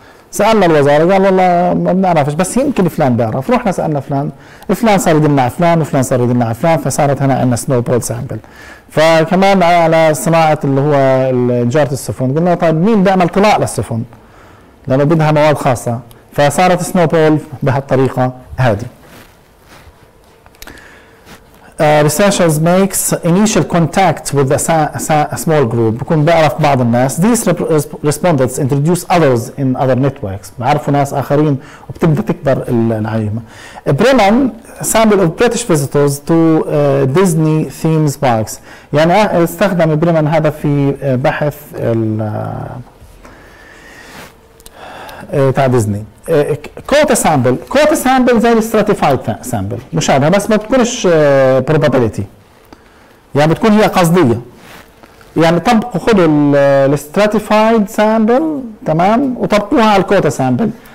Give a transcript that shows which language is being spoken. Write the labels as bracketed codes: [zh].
[ar] سألنا الوزارة قال والله ما بنعرفش بس يمكن فلان بيعرف، رحنا سألنا فلان، فلان صار يدلنا على فلان وفلان صار يدلنا على فلان، فصارت هنا عندنا سنوبول سامبل. فكمان على صناعة اللي هو نجارة السفن قلنا طيب مين بيعمل طلاء للسفن لأنه بدها مواد خاصة، فصارت سنوبول بهالطريقة هذه. [en] Researchers makes initial contact with a small group. [ar] بكون بعرف بعض الناس. [en] These respondents introduce others in other networks. [ar] بعرفوا ناس آخرين وبتبدأ تكبر العينة. [en] Bremen sample of British visitors to Disney theme parks. [ar] يعني استخدم Bremen هذا في بحث ال تاع ديزني. كوتا سامبل، كوتا سامبل زي الستراتيفايد سامبل مشابهة بس ما بتكونش probability، يعني بتكون هي قصدية، يعني طبقوا خذوا الستراتيفايد سامبل تمام وطبقوها على الكوتا سامبل.